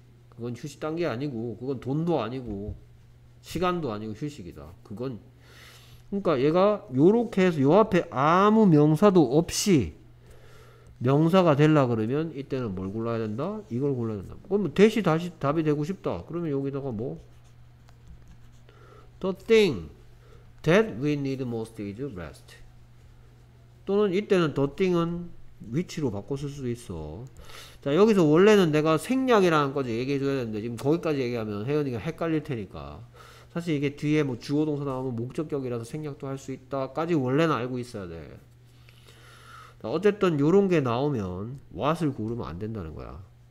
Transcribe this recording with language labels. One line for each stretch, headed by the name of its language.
Korean: 그건 휴식 단계 아니고 그건 돈도 아니고 시간도 아니고 휴식이다. 그건 그러니까 얘가 요렇게 해서 요 앞에 아무 명사도 없이 명사가 되려 그러면 이때는 뭘 골라야 된다? 이걸 골라야 된다. 그러면 대시 다시 답이 되고 싶다. 그러면 여기다가 뭐?
English: The thing that we need most is rest.
Korean: 또는 이때는 the thing은 which로 바꿔 쓸 수도 있어. 자, 여기서 원래는 내가 생략이라는 거지 얘기해 줘야 되는데 지금 거기까지 얘기하면 혜연이가 헷갈릴 테니까. 사실 이게 뒤에 뭐 주어 동사 나오면 목적격이라서 생략도 할수 있다까지 원래는 알고 있어야 돼. 자, 어쨌든 요런 게 나오면 what을 고르면 안 된다는 거야.